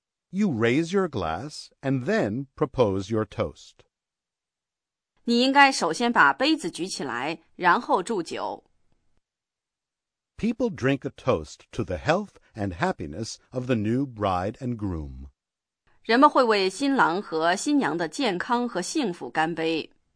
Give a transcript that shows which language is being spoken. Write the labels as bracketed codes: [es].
[en] You raise your glass and then propose your toast. [zh] 你应该首先把杯子举起来，然后祝酒。 [en] People drink a toast to the health and happiness of the new bride and groom. [zh] 人们会为新郎和新娘的健康和幸福干杯。